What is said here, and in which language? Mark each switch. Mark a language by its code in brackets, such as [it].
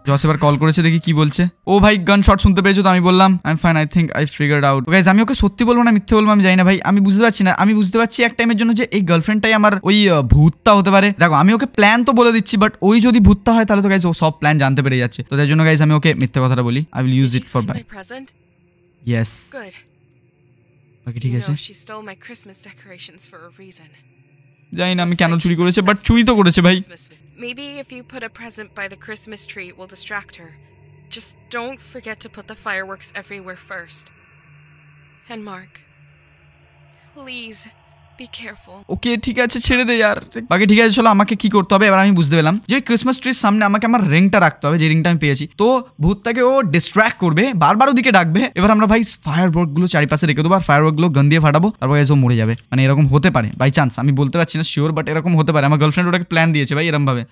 [bn] Jos এবার call করেছে, দেখি কি বলছে। ও ভাই গান শট শুনতে পেয়েছো তো? আমি বললাম [en] I am fine, I think I figured out. [bn] Guys আমি ওকে সত্যি বলবো না মিথ্যে বলবো আমি জানি না ভাই, আমি বুঝতে পারছি না, আমি বুঝতে পারছি এক টাইমের জন্য যে এই গার্লফ্রেন্ডটাই আমার ওই ভূতটা হতে পারে। দেখো আমি ওকে প্ল্যান তো বলে দিচ্ছি, বাট ওই যদি ভূতটা হয় তাহলে তো গাইজ ও সব প্ল্যান জানতে পেরে যাচ্ছে, তো তার জন্য গাইজ আমি ওকে মিথ্যে কথাটা বলি, [en] I will use it for [bn] ভাই। [en] Yes. Good. Okay, [bn] ঠিক আছে। [en] She stole my Christmas decorations for a reason. [bn] জানি না আমি কেন চুরি করেছে, বাট চুরি তো করেছে ভাই। [en] Maybe if you put a present by the Christmas tree, it will distract her. Just don't forget to put the fireworks everywhere first. And Mark, please be careful. [bn] ওকে ঠিক আছে ছেড়ে দে यार। বাকি ঠিক আছে চলো, আমাকে কি করতে হবে এবার আমি বুঝতে পেলাম, যে ক্রিসমাস ট্রির সামনে আমাকে আমার রিংটা রাখতে হবে, যে রিংটা আমি পেয়েছি, তো ভূতটাকে ও ডিস্ট্র্যাক্ট করবে, বারবার ওদিকে ডাকবে। এবার আমরা ভাই ফায়ারওয়ার্ক গুলো চারিপাশে রেখে দেবো, আর ফায়ারওয়ার্ক গুলো গন্ধিয়ে ফাটাবো, তারপর এসে মরে যাবে, মানে এরকম হতে পারে বাই চান্স, আমি বলতে পারছি না শিওর, বাট এরকম হতে পারে, আমার গার্লফ্রেন্ড ওটাকে প্ল্যান দিয়েছে ভাই এরকম ভাবে।